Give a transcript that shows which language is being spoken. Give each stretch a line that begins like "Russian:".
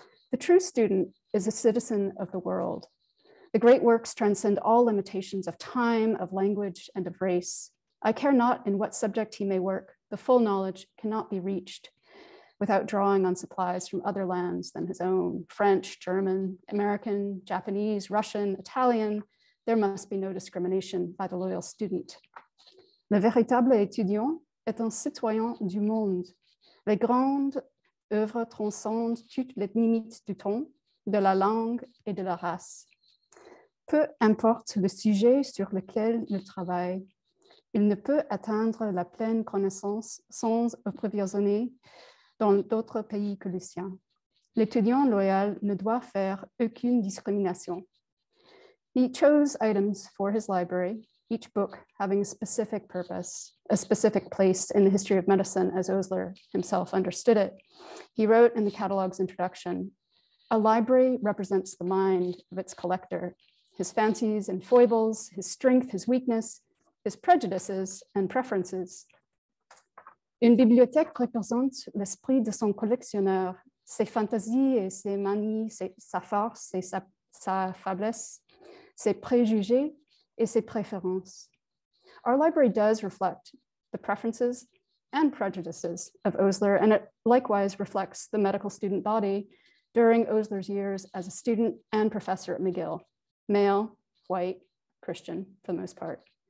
English: The true student is a citizen of the world. The great works transcend all limitations of time, of language, and of race. I care not in what subject he may work, the full knowledge cannot be reached without drawing on supplies from other lands than his own, French, German, American, Japanese, Russian, Italian. There must be no discrimination by the loyal student.
French: Le véritable étudiant est un citoyen du monde. Les grandes œuvres transcendent toutes les limites du temps, de la langue et de la race. Peu importe le sujet sur lequel le travail, Il ne peut atteindre la pleine connaissance sans approvisionner dans d'autres pays que le sien. L'étudiant loyal ne doit faire aucune discrimination.
English: He chose items for his library, each book having a specific purpose, a specific place in the history of medicine as Osler himself understood it. He wrote in the catalog's introduction, "A library represents the mind of its collector, his fancies and foibles, his strength, his weakness, his prejudices and preferences.
French: Une bibliothèque représente l'esprit de son collectionneur, ses fantaisies et ses manies, sa force et sa faiblesse, ses préjugés et ses préférences."
English: Our library does reflect the preferences and prejudices of Osler, and it likewise reflects the medical student body during Osler's years as a student and professor at McGill, male, white, Christian for the most part.